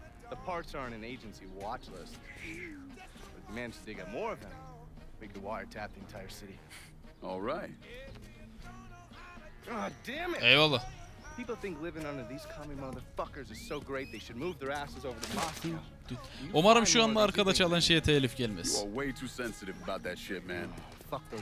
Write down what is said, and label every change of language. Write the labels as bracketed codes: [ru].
[en] The parts aren't an agency watch list. But if managed to dig up more of them, we could wiretap the entire city. All right. God damn it! [tr] Eyvallah. [en] People think living under these commie motherfuckers is so great they should move their asses over to Moscow. [tr] Umarım şu anda arkada çalan şeye telif gelmez. [en] You are way too sensitive about that shit, man.